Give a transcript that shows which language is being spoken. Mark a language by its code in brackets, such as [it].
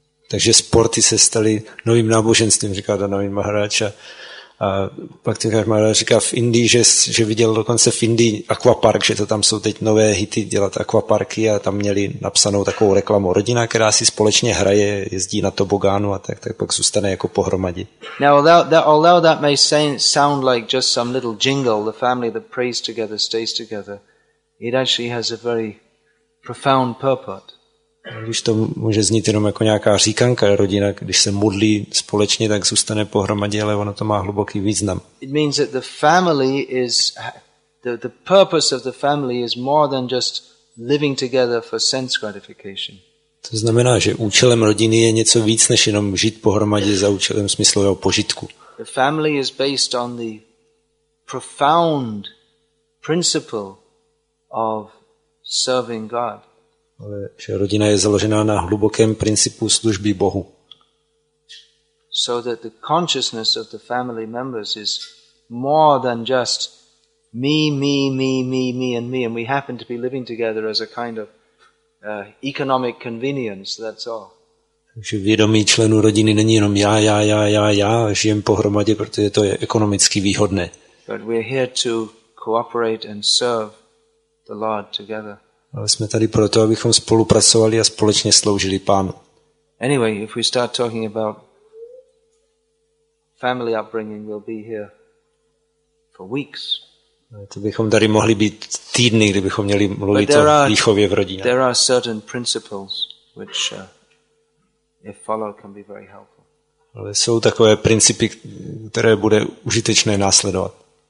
[cs] Takže sporty se staly novým náboženstvím, říká Danavin Maharaj. A pak Danavin Maharaj říká v Indii, že viděl dokonce v Indii aquapark, že to tam jsou teď nové hity dělat aquaparky, a tam měli napsanou takovou reklamu. Rodina, která si společně hraje, jezdí na tobogánu a tak pak zůstane jako pohromadě. [en] Now, although that may sound like just some little jingle, the family that prays together stays together, it actually has a very profound purport. [cs] Když to může znít jenom jako nějaká říkanka, rodina, když se modlí společně, tak zůstane pohromadě, ale ono to má hluboký význam. [en] It means that the family is the purpose of the family is more than just living together for sense gratification. [cs] To znamená, že účelem rodiny je něco víc než jenom žít pohromadě za účelem smyslového požitku. [en] The family is based on the profound principle of serving God. [cs] Ale že rodina je založena na hlubokém principu služby Bohu. [en] So that the consciousness of the family members is more than just me and we happen to be living together as a kind of economic convenience, that's all. [cs] Takže vědomí členů rodiny není jenom já, žijem pohromadě, protože to je ekonomicky výhodné. [en] But we're here to cooperate and serve the Lord together. [cs] Ale jsme tady proto, abychom spolupracovali a společně sloužili Pánu. [en] Anyway, if we start talking about family upbringing, we'll be here for weeks. [cs] To bychom tady mohli být týdny, kdybychom měli mluvit o výchově v rodině. [en] There are certain principles which if followed can be very helpful. [cs] Ale jsou takové principy, které bude užitečné následovat.